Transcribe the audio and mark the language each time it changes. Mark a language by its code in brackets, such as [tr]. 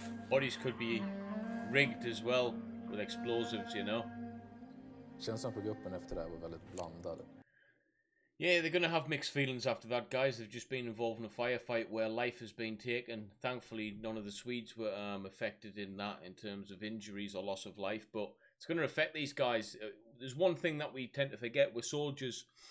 [en] Bodies could be rigged as well with explosives, you know. [sv] Känslan på gruppen efter det var väldigt blandad. [en] Yeah, they're gonna have mixed feelings after that, guys. They've just been involved in a firefight where life has been taken. Thankfully, none of the Swedes were affected in that in terms of injuries or loss of life. But it's gonna affect these guys. There's one thing that we tend to forget: we're soldiers.